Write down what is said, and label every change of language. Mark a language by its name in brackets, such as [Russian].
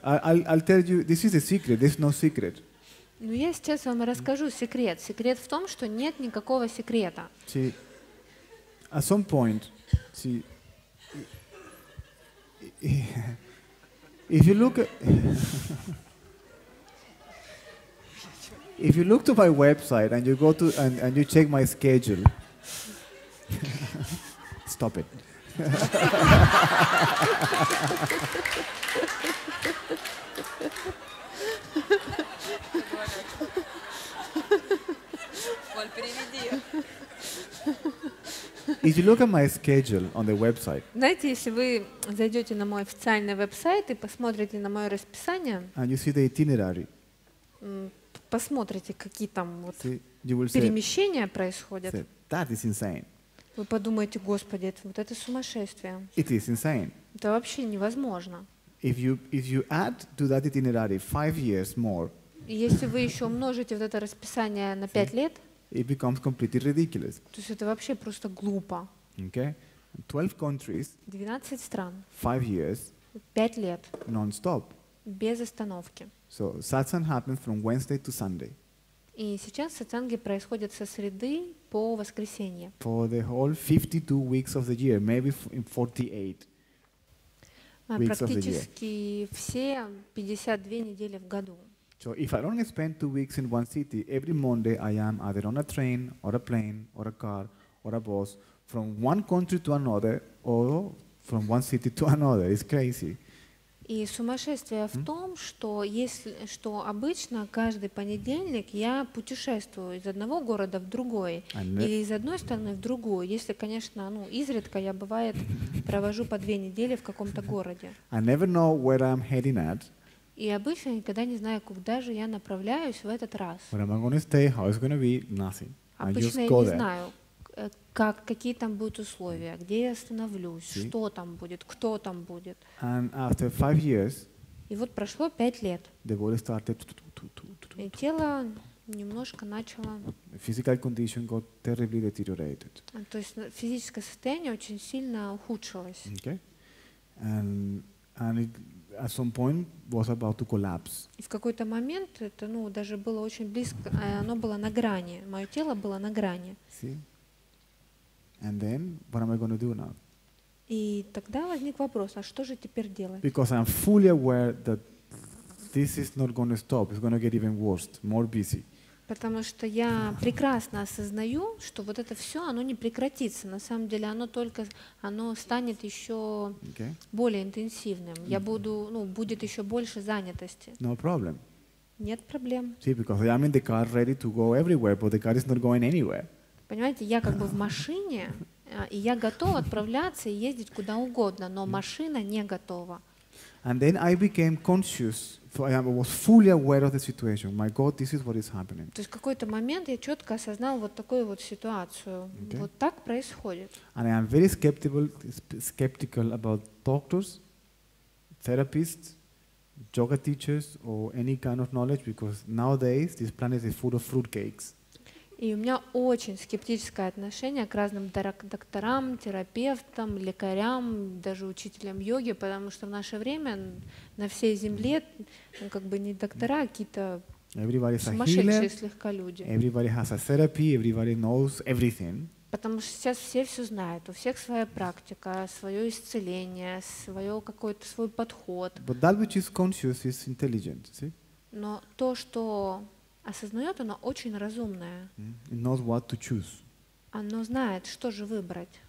[English] I'll tell you, this is a secret, there's no secret. [Russian] Ну, я сейчас вам расскажу секрет. Секрет в том, что нет никакого секрета. [English] See, at some point, see, if you look to my website and you go to, and you check my schedule, stop it. [Russian] Оль, переведи. [English] If you look at my schedule on the website. [Russian] Знаете, если вы зайдете на мой официальный веб-сайт и посмотрите на мое расписание. [English] And you see the itinerary. [Russian] Посмотрите, какие там вот перемещения происходят. [English] That is insane. [Russian] Вы подумаете, Господи, это сумасшествие. [English] It is insane. [Russian] Это вообще невозможно. [English] If you add to that itinerary 5 years more. [Russian] Если вы еще умножите вот это расписание на 5 лет. [English] It becomes completely ridiculous. [Russian] То есть это вообще просто глупо. [English] Okay. 12 countries. [Russian] 12 стран. [English] 5 years. [Russian] 5 лет. [English] Non-stop. [Russian] Без остановки. [English] So satsang happens from Wednesday to Sunday. [Russian] И сейчас сатсанги происходят со среды по воскресенье. [English] For the whole 52 weeks of the year, maybe 48 weeks of the year. [Russian] Практически все 52 недели в году. [English] So if I only spend 2 weeks in one city, every Monday I am either on a train, or a plane, or a car, or a bus from one country to another, or from one city to another. It's crazy. [Russian] И сумасшествие в том, что обычно каждый понедельник я путешествую из одного города в другой или из одной страны в другую, если, конечно, ну, изредка я бывает провожу по 2 недели в каком-то городе. [English] I never know where I'm heading at. [Russian] И обычно никогда не знаю, куда же я направляюсь в этот раз. [English] Where am I going to stay? How is it going to be? Nothing. [Russian] Обычно я не знаю. Какие там будут условия, где я остановлюсь, See? Что там будет, кто там будет. [English] And after 5 years, [Russian] и вот прошло 5 лет. [English] The body started [Russian] и тело немножко начало... [English] Physical condition got terribly deteriorated. [Russian] То есть физическое состояние очень сильно ухудшилось. [English] Okay. And it, at some point, was about to collapse. [Russian] И в какой-то момент это, ну, даже было очень близко, оно было на грани, мое тело было на грани. [English] See? And then, what am I going to do now? [Russian] И тогда возник вопрос, а что же теперь делать? [English] Because I'm fully aware that this is not going to stop. It's going to get even worse, more busy. [Russian] Потому что я прекрасно осознаю, что вот это все, оно не прекратится. На самом деле, оно только, оно станет еще более интенсивным. Я буду, ну, будет еще больше занятости. [English] No problem. [Russian] Нет проблем. [English] See, because I'm in the car ready to go everywhere, but the car is not going anywhere. [Russian] Понимаете, я как бы в машине, и я готова отправляться и ездить куда угодно, но машина не готова. [English] And then I became conscious. I was fully aware of the situation. My God, this is what is happening. [Russian] То есть в какой-то момент я четко осознал вот такую вот ситуацию. Okay. Вот так происходит. [English] And I am very skeptical about doctors, therapists, yoga teachers or any kind of knowledge because nowadays this planet is full of fruitcakes. [Russian] И у меня очень скептическое отношение к разным докторам, терапевтам, лекарям, даже учителям йоги, потому что в наше время на всей земле, ну, как бы не доктора, а какие-то сумасшедшие слегка люди. [English] Everybody has a therapy, everybody knows everything. [Russian] Потому что сейчас все знают, у всех своя практика, свое исцеление, свое какой-то свой подход. [English] But that which is conscious is intelligent, see? [Russian] Но то, что осознает, оно очень разумное. [English] It knows what to choose. [Russian] Оно знает, что же выбрать.